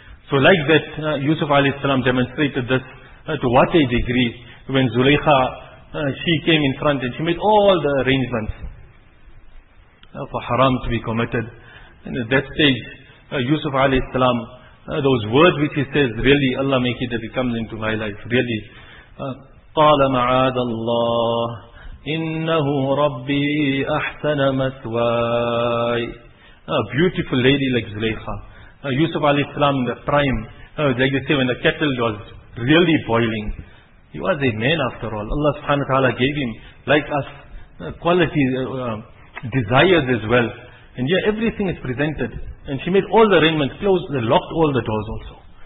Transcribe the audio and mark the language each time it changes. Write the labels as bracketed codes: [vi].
[en] So like that, Yusuf alayhi salam demonstrated this to what a degree when Zulaikha, she came in front and she made all the arrangements for haram to be committed. And at that stage, Yusuf alayhi salam, those words which he says, really, Allah make it, it comes into my life. Really, [ar] قَالَ مَعَادَ اللَّهِ إِنَّهُ رَبِّي أَحْسَنَ مَثْوَايِ. [en] A beautiful lady like Zulaikha. Yusuf alayhi salam in the prime, like you say, when the kettle was really boiling. He was a man after all. Allah subhanahu wa ta'ala gave him, like us, qualities, desires as well. And yeah, everything is presented. And she made all the arrangements, closed, locked all the doors also.